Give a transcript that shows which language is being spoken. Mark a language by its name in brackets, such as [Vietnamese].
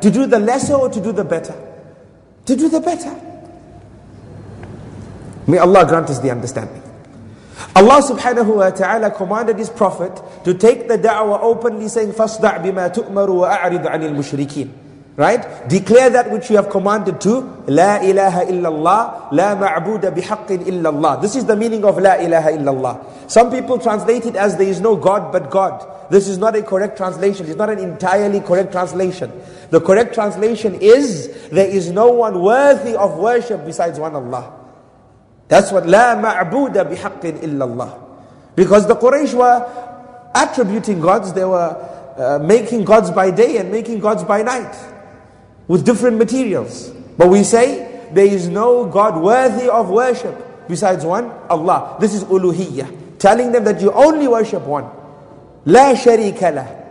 [English] To do the lesser or to do the better? To do the better. May Allah grant us the understanding. Allah subhanahu wa ta'ala commanded his prophet to take the da'wah openly, saying, [Arabic] فَاصْدَعْ بِمَا تُؤْمَرُ وَأَعْرِضْ عَنِ الْمُشْرِكِينَ. [English] Right? Declare that which you have commanded to. [Arabic] لا إله إلا الله لا معبود بحق إلا الله. [English] This is the meaning of [Arabic] لا إله إلا الله. [English] Some people translate it as there is no God but God. This is not a correct translation. It's not an entirely correct translation. The correct translation is there is no one worthy of worship besides one Allah. That's what [Arabic] لا معبود بحق إلا الله. [English] Because the Quraysh were attributing gods. They were making gods by day and making gods by night, with different materials. But we say, there is no God worthy of worship besides one, Allah. This is uluhiyyah. Telling them that you only worship one. [Arabic] La sharika lah.